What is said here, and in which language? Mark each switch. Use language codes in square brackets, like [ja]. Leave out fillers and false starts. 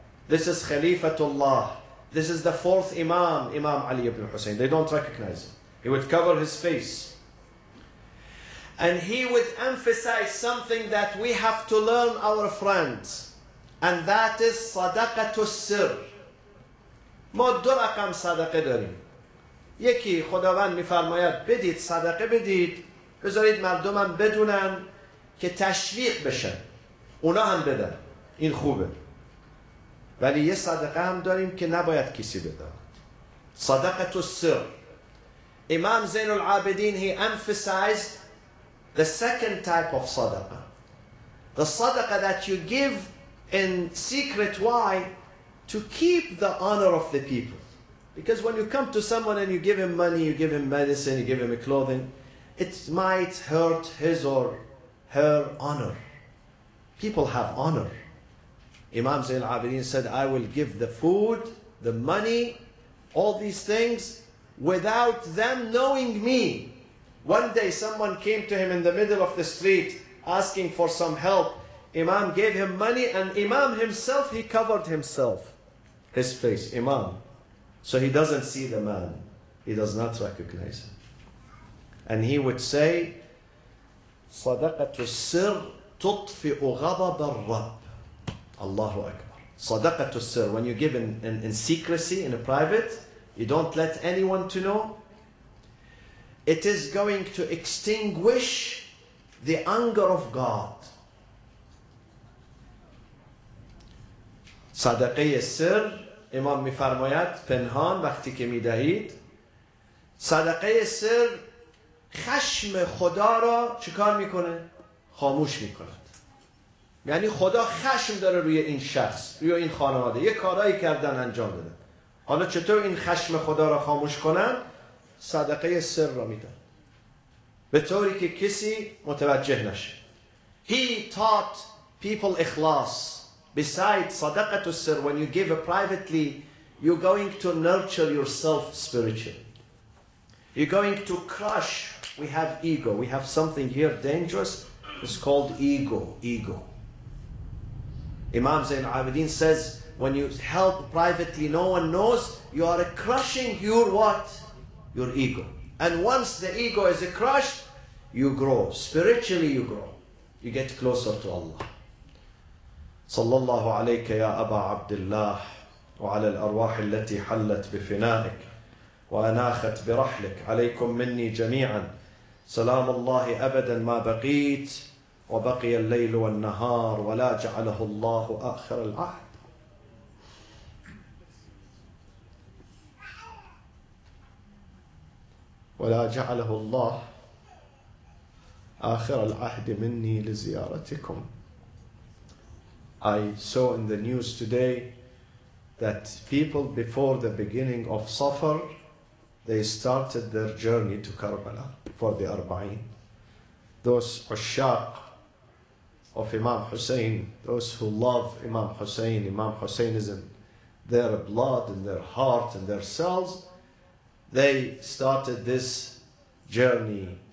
[en] This is Khalifatullah. This is the fourth Imam, Imam Ali ibn Hussein. They don't recognize him. He would cover his face. And he would emphasize something that we have to learn our friends. And that is صدقه السر. [fa] ما دو رقم صدقه داریم. یکی خداوند میفرماید بدید صدقه بدید. بذارید مردم هم بدونن که تشویق بشن. اونا هم بدن. این خوبه. ولی یه صدقه هم داریم که نباید کسی بدن. صدقه السر. [en] امام زین العابدین he emphasized the second type of صدقه. The صدقه that you give in secret, why? To keep the honor of the people. Because when you come to someone and you give him money, you give him medicine, you give him clothing, it might hurt his or her honor. People have honor. Imam Zain al-Abidin said, I will give the food, the money, all these things without them knowing me. One day someone came to him in the middle of the street asking for some help. Imam gave him money, and Imam himself, he covered himself, his face, Imam. So he doesn't see the man. He does not recognize him. And he would say, [ar] صَدَقَةُ السِّرْ تُطْفِئُ غَضَبَ الرَّبِّ. Allahu Akbar. صَدَقَةُ السِّرْ. [en] When you give in secrecy, in a private, you don't let anyone to know, it is going to extinguish the anger of God. [fa] صدقه سر امام میفرماید پنهان وقتی که میدهید صدقه سر خشم خدا را چیکار میکنه خاموش میکند یعنی خدا خشم داره روی این شخص روی این خانواده یه کارایی کردن انجام دادن حالا چطور این خشم خدا را خاموش کنن صدقه سر را میدن به طوری که کسی متوجه نشه [en] He taught people ikhlas Besides sadaqatu sir, when you give privately, you're going to nurture yourself spiritually. You're going to crush. We have ego. We have something here dangerous. It's called ego. Ego. Imam Zain al-Abidin says, when you help privately, no one knows, you are crushing your what? Your ego. And once the ego is crushed, you grow. Spiritually you grow. You get closer to Allah. [ar] صلى الله عليك يا أبا عبد الله وعلى الأرواح التي حلت بفنائك وأناخت برحلك عليكم مني جميعا سلام الله أبدا ما بقيت وبقي الليل والنهار ولا جعله الله آخر العهد ولا جعله الله آخر العهد مني لزيارتكم [en] I saw in the news today that people before the beginning of Safar, they started their journey to Karbala for the Arba'een. Those Ushaq of Imam Hussein, those who love Imam Hussein, Imam Husseinism, their blood and their heart and their cells, they started this journey.